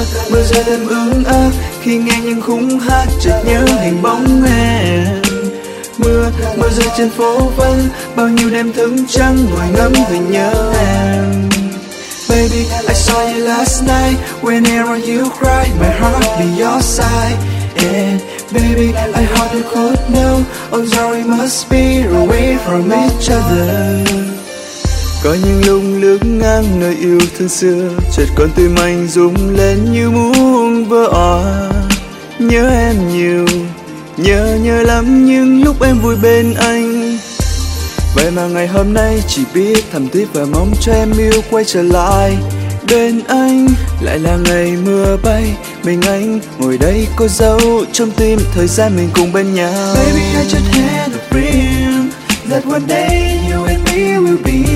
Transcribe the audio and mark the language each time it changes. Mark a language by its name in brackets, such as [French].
[Vietnamese] Mưa rơi đêm ướt át khi nghe những khúc hát chợt nhớ hình bóng em. Mưa rơi trên phố vắng bao nhiêu đêm thức trắng ngồi ngắm và nhớ em. [English] Baby, I saw you last night. Whenever you cry, my heart be your side. And baby, I hope you could know. I'm sorry, must be away from each other. [Vietnamese] Có những lúc lướt ngang nơi yêu thương xưa, chợt con tim anh rung lên như muốn vỡ òa. Nhớ em nhiều, nhớ lắm những lúc em vui bên anh. Vậy mà ngày hôm nay chỉ biết thầm tiếc và mong cho em yêu quay trở lại bên anh. Lại là ngày mưa bay, mình anh ngồi đây cô dâu trong tim thời gian mình cùng bên nhau. [English] Baby, I just had a dream that one day you and me will be.